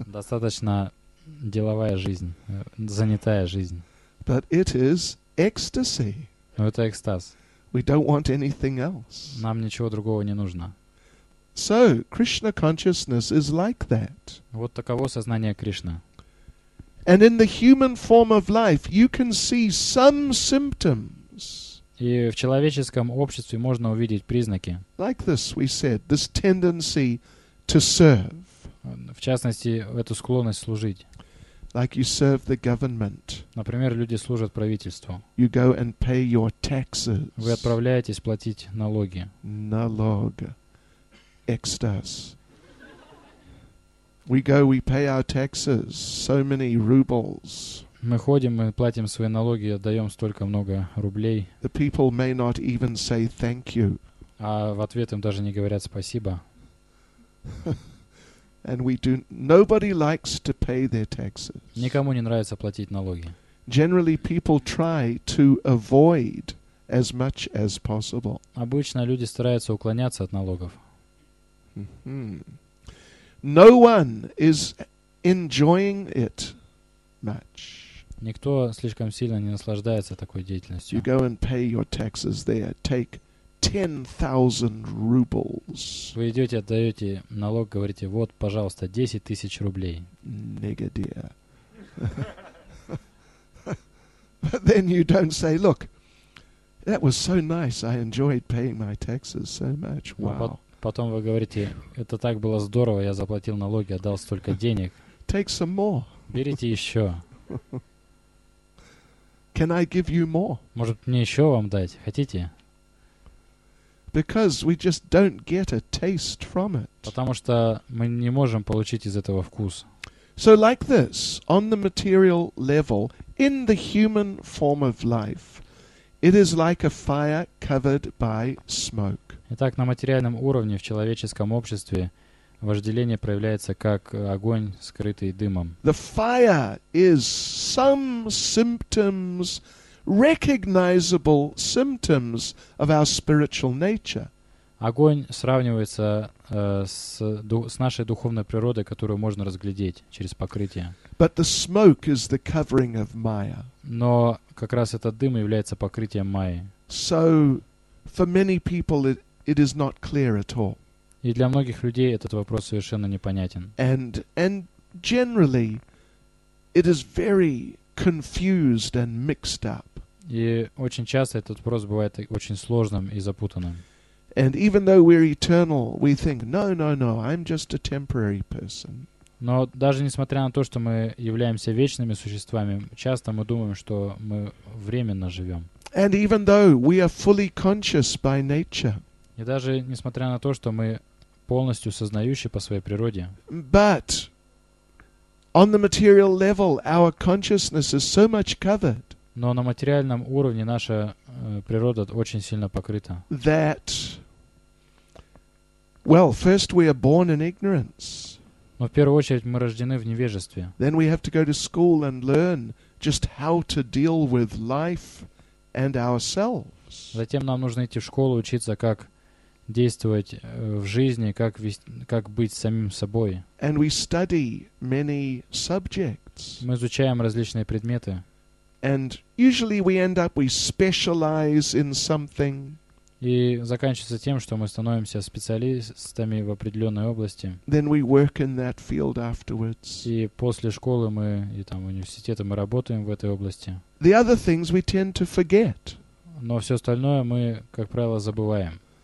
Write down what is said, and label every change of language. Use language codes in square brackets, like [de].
[ru] Достаточно деловая жизнь, занятая жизнь. [en] But it is ecstasy. [ru] Но это экстаз. [en] We don't want anything else. [ru] Нам ничего другого не нужно. [en] So, Krishna consciousness is like that. [ru] Вот таково сознание Кришны. [en] And in the human form of life, you can see some symptoms. [ru] И в человеческом обществе можно увидеть признаки. [en] Like this, we said, this tendency to serve. [ru] В частности, эту склонность служить. [en] Like you serve the government. [ru] Например, люди служат правительству. [en] You go and pay your taxes. [ru] Вы отправляетесь платить налоги. Налог. Экстаз. [en] We go, we pay our taxes. So many rubles. [ru] Мы ходим, мы платим свои налоги, отдаем столько много рублей. [en] The people may not even say thank you. [ru] А в ответ им даже не говорят спасибо. [en] And we do. Nobody likes to pay their taxes. [ru] Никому не нравится платить налоги. [en] Generally, people try to avoid as much as possible. [ru] Обычно люди стараются уклоняться от налогов. [en] No one is enjoying it much. [ru] Никто слишком сильно не наслаждается такой деятельностью. [en] You go and pay your taxes there. Take 10,000 rubles. [ru] Вы идете, отдаете налог, говорите, вот, пожалуйста, 10 тысяч рублей. Negadir. [en] But then you don't say, look, that was so nice, I enjoyed paying my taxes so much, wow. [ru] Потом вы говорите, это так было здорово, я заплатил налоги, отдал столько денег. [en] Take some more. [ru] Берите еще. [en] Can I give you more? [ru] Может, мне еще вам дать? Хотите? [en] Because we just don't get a taste from it. [ru] Потому что мы не можем получить из этого вкус. [en] So like this, on the material level, in the human form of life, it is like a fire covered by smoke. [ru] Итак, на материальном уровне в человеческом обществе вожделение проявляется как огонь, скрытый дымом. [en] The fire is some symptoms, recognizable symptoms of our spiritual nature. [ru] Огонь сравнивается с нашей духовной природой, которую можно разглядеть через покрытие. [en] But the smoke is the covering of Maya. [ru] Но как раз этот дым является покрытием Майи. [en] So for many people it is not clear at all. [ru] И для многих людей этот вопрос совершенно непонятен. [en] And generally it is very confused and mixed up. [ru] И очень часто этот вопрос бывает очень сложным и запутанным. [en] And even though we're eternal, we think, no, I'm just a temporary person. [ru] Но даже несмотря на то, что мы являемся вечными существами, часто мы думаем, что мы временно живем. [en] And even though we are fully conscious by nature. [ru] И даже несмотря на то, что мы полностью сознающие по своей природе. [en] But on the material level, our consciousness is so much covered. [ru] Но на материальном уровне наша природа очень сильно покрыта. [en] That, well, first we are born in ignorance. [ru] Но в первую очередь мы рождены в невежестве. [en] Then we have to go to school and learn just how to deal with life and ourselves. [ru] Затем нам нужно идти в школу, учиться, как действовать в жизни, как быть самим собой. [en] And we study many subjects. [ru] Мы изучаем различные предметы. [en] And usually we end up, we specialize in something. [ru] И заканчивается тем, что мы становимся специалистами в определенной области. [en] Then we work in that field afterwards. [ru] И после школы мы, и там университета, мы работаем в этой области. [en] The other things we tend to forget. [ru] Но все остальное мы, как правило, забываем.